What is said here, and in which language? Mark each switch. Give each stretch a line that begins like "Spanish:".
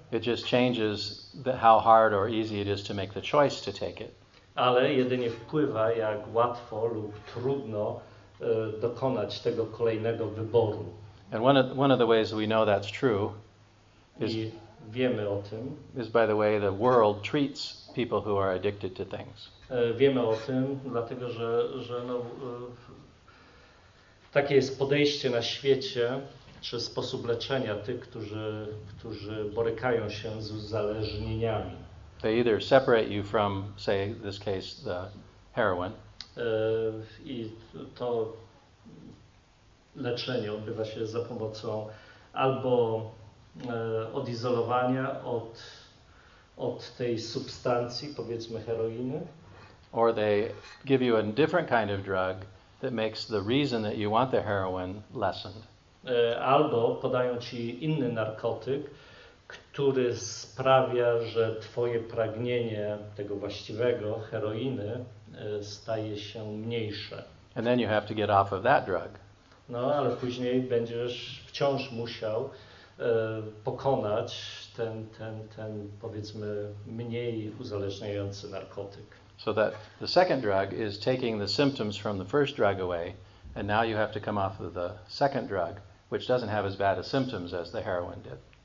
English: It just changes how hard or easy it is to make the choice to take it.
Polish: Ale jedynie wpływa, jak łatwo lub trudno dokonać tego kolejnego wyboru.
English: And one of the ways we know that's true is,
Polish: I wiemy o tym,
English: is by the way the world treats people who are addicted to things.
Polish: Wiemy o tym, dlatego że no, takie jest podejście na świecie, czy sposób leczenia tych, którzy borykają się z uzależnieniami.
English: They either separate you from, say, in this case, the heroin.
Polish: I to leczenie odbywa się za pomocą albo odizolowania od tej substancji, powiedzmy heroiny.
English: Or they give you a different kind of drug that makes the reason that you want the heroin lessened.
Polish: Albo podają ci inny narkotyk, który sprawia, że twoje pragnienie tego właściwego heroiny staje się mniejsze.
English: And then you have to get off of that drug.
Polish: No, ale później będziesz wciąż musiał pokonać ten powiedzmy mniej uzależniający narkotyk.
English: So that the second drug is taking the symptoms from the first drug away, and now you have to come off of the second drug, which doesn't have as bad a symptoms as the heroin did.